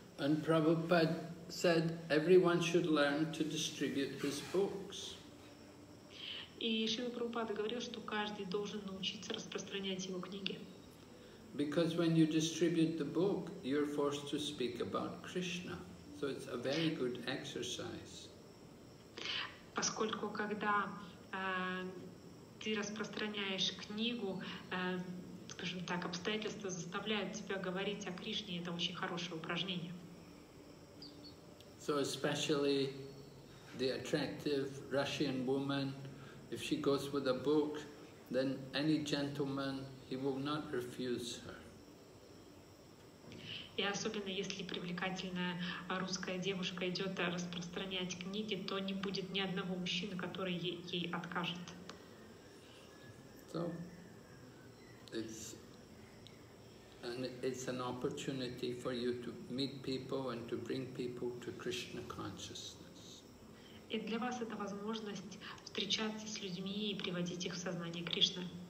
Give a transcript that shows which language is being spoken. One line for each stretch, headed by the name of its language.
English: And Prabhupada said everyone should learn to distribute his books.
Russian: И Шрила Прабхупада говорил, что каждый должен научиться распространять его книги.
English: Because when you distribute the book, you're forced to speak about Krishna. So it's a very good exercise.
Russian: Поскольку когда ты распространяешь книгу, скажем так, обстоятельства заставляют тебя говорить о Кришне, это очень хорошее упражнение.
English: So especially the attractive Russian woman, if she goes with a book, then any gentleman, he will not refuse her.
Russian: И особенно если привлекательная русская девушка идет распространять книги, то не будет ни одного мужчины, который ей откажет.
English: So, it's an opportunity for you to meet people and to bring people to Krishna consciousness.
Russian: И для вас это возможность встречаться с людьми и приводить их в сознание Кришны.